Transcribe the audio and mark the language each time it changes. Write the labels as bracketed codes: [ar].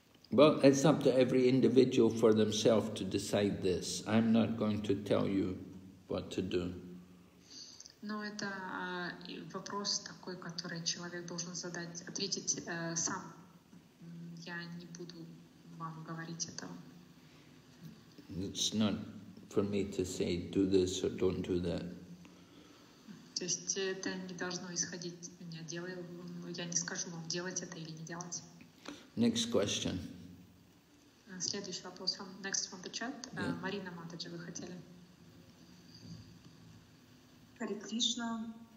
[en] Well, it's up to every individual for themselves to decide this. I'm not going to tell you what to do. [ru] Но это вопрос такой, который человек должен задать, ответить сам. Я не буду вам говорить это. [en] It's not for me to say do this or don't do that. [ru] То есть это не должно исходить от меня. Я не скажу вам делать это или не делать. [en] Next question. [ru] Следующий вопрос. [en] Next from the chat. Yeah. [ru] Марина Матаджи, вы хотели? Харе Кришна.